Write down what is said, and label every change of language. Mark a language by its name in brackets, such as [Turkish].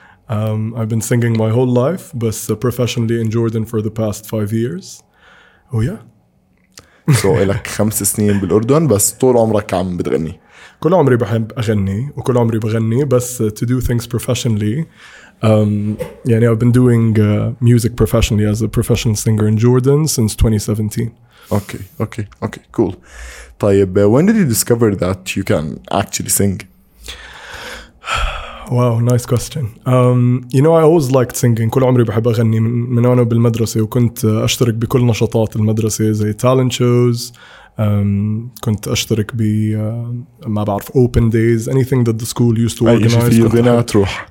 [English] I've been singing my whole life, but professionally in Jordan for the past 5 years. Oh, yeah. [Arabic] So, إلك 5 سنين بالأردن, بس طول عمرك عم بتغني. كل عمري بحب أغني وكل عمري بغني بس [English] to do things professionally. يعني I've been doing music professionally as a professional singer in Jordan since 2017. Okay, cool. طيب, when did you discover that you can actually sing? Wow, nice question. You know, I always liked singing. [Arabic] كل عمري بحب أغني من وأنا بالمدرسة وكنت أشترك بكل نشاطات المدرسة زي talent shows. كنت أشترك ب ما بعرف [English] open days anything that the school used to organize. [Arabic] أي شيء في غناء تروح.